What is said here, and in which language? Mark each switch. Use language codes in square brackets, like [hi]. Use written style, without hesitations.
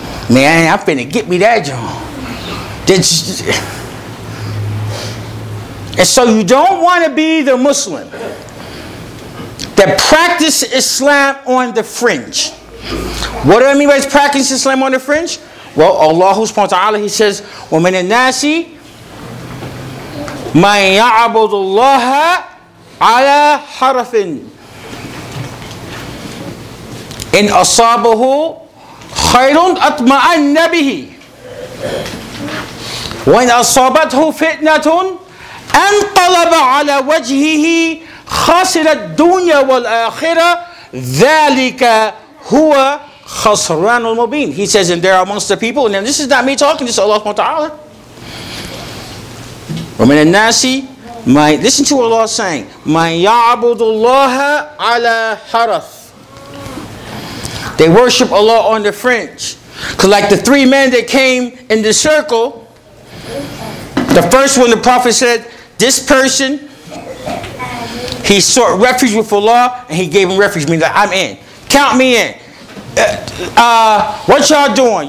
[en] Man, I'm finna get me that job. And so you don't want to be the Muslim that practice Islam on the fringe. What do I mean by practice Islam on the fringe? Well, Allah subhanahu wa ta'ala, he says, [ar] وَمَنْ النَّاسِ مَنْ يَعْبُدُ اللَّهَ عَلَى حَرَفٍ إِنْ أَصَابَهُ خَيْرٌ أَطْمَأَنَّ بِهِ وَإِنْ أَصَابَتْهُ فِتْنَةٌ أَنْقَلَبَ عَلَى وَجْهِهِ خَسِرَ الدُّنْيَا وَالْآخِرَةِ ذَلِكَ هُوَ خَسْرَانُ الْمُبِينَ. [en] He says, and there are amongst the people, and this is not me talking, this is Allah subhanahu wa ta'ala. [ar] وَمِنَ النَّاسِ مَنْ, [en] listen to what Allah is saying, [ar] مَنْ يَعْبُدُ اللَّهَ عَلَى حَرَثٍ. [en] They worship Allah on the fringe. Because like the three men that came in the circle, the first one, the Prophet said, this person, he sought refuge with Allah, and he gave him refuge, meaning that I'm in. Count me in. What y'all doing?